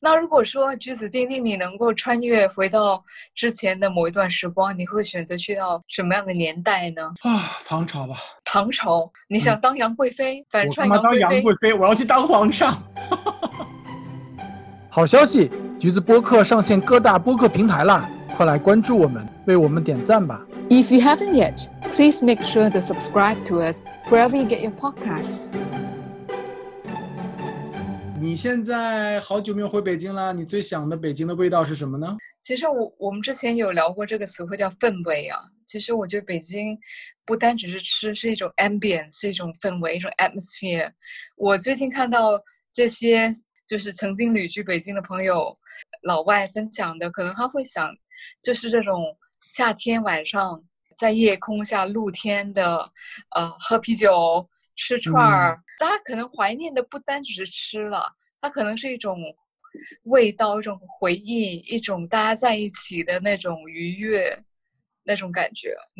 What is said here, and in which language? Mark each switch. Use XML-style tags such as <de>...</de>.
<zh>那如果说橘子丁丁你能够穿越回到之前的某一段时光，你会选择去到什么样的年代呢？啊，唐朝吧。唐朝，你想当杨贵妃？反串杨贵妃。我他妈当杨贵妃，我要去当皇上。好消息，橘子播客上线各大播客平台啦，快来关注我们，为我们点赞吧。</zh> <en>If you haven't yet, please make sure to subscribe to us wherever you get your podcasts.</en> <zh>你现在好久没有回北京了，你最想的北京的味道是什么呢？其实我们之前有聊过这个词汇叫氛围啊。其实我觉得北京不单只是吃，是一种 ambience， 是一种氛围，一种 atmosphere。我最近看到这些就是曾经旅居北京的朋友老外分享的，可能他会想就是这种夏天晚上在夜空下露天的喝啤酒吃串儿，大家可能怀念的不单只是吃了，它可能是一种味道，一种回忆，一种大家在一起的那种愉悦那种感觉。</zh>